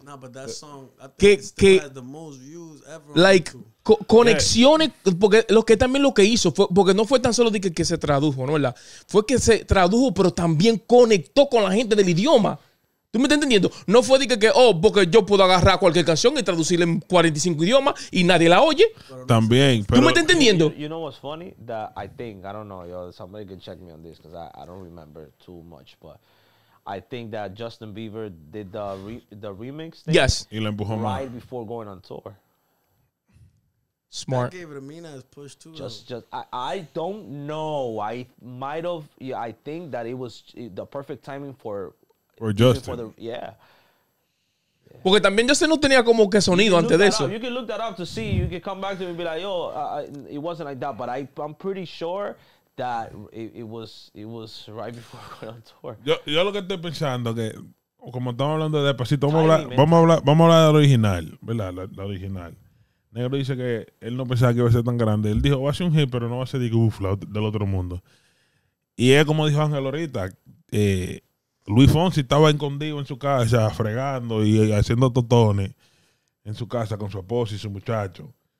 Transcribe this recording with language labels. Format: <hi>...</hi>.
<en>No, but that song, I think it's the most views ever. Like, conexiones, yeah.</en> <es>Porque lo que también lo que hizo, fue, porque no fue tan solo de que se tradujo, ¿no? ¿Verdad? Fue que se tradujo, pero también conectó con la gente del idioma. ¿Tú me estás entendiendo? No fue de que, oh, porque yo puedo agarrar cualquier canción y traducirla en 45 idiomas y nadie la oye. También. ¿Tú me estás entendiendo?</es> <en>You know what's funny? That I think, I don't know, yo, somebody can check me on this, because I don't remember too much, but I think that Justin Bieber did the remix thing. Yes.</en> <es>Y le empujó</es> <en>right before going on tour. Smart. That gave it a mean ass push too. I don't know. I might have. Yeah, I think that it was the perfect timing for Justin. For yeah.</en> <es>Porque también Justin no tenía como que sonido antes de eso.</es> <en>You can look that up to see. You can come back to me and be like, yo, it wasn't like that. But I'm pretty sure that it was right before going on tour.</en> <es>Yo lo que estoy pensando que como estamos hablando de Despacito, vamos a hablar del original, ¿verdad? La original. Negro dice que él no pensaba que iba a ser tan grande. Él dijo, va a ser un hit, pero no va a ser de uff, del otro mundo. Y es como dijo Ángel ahorita, Luis Fonsi estaba escondido en su casa, fregando y haciendo totones en su casa con su esposa y su muchacho.</es>